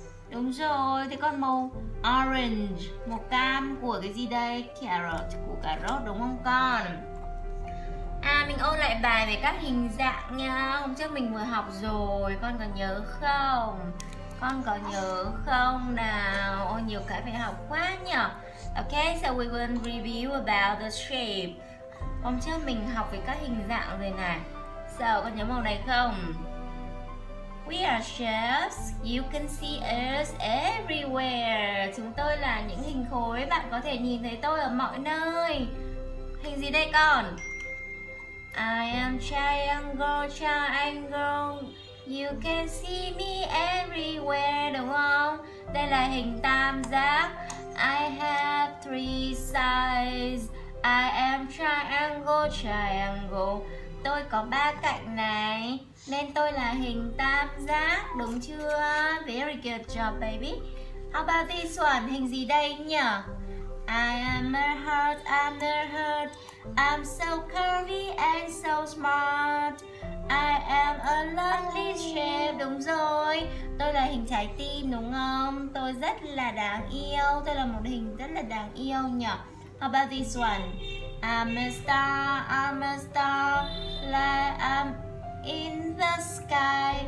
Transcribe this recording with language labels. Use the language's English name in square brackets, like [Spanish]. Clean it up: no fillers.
[Vietnamese] Đúng rồi, thế còn màu orange, màu cam của cái gì đây? Carrot, của cà rốt đúng không con? À, mình ôn lại bài về các hình dạng nha. Hôm trước mình vừa học rồi, con còn nhớ không? Con có nhớ không nào? Ôi nhiều cái phải học quá nhỉ. [English] Okay, so we will review about the shape. [Vietnamese] Hôm trước mình học về các hình dạng rồi này. So, con nhớ màu này không? [English] We are shapes. You can see us everywhere. [Vietnamese] Chúng tôi là những hình khối. Bạn có thể nhìn thấy tôi ở mọi nơi. Hình gì đây con? [English] I am triangle, triangle. You can see me everywhere, [Vietnamese] đúng không? Đây là hình tam giác. [English] I have three sides. I am triangle, triangle. [Vietnamese] Tôi có ba cạnh này, nên tôi là hình tam giác, đúng chưa? [English] Very good job, baby. How about this one? [Vietnamese] Hình gì đây nhỉ? [English] I am a heart, I'm a heart. I'm so curvy and so smart. I am a lovely shape. [Vietnamese] Đúng rồi, tôi là hình trái tim đúng không? Tôi rất là đáng yêu. Tôi là một hình rất là đáng yêu nhỉ. [English] How about this one? I'm a star, like I'm in the sky.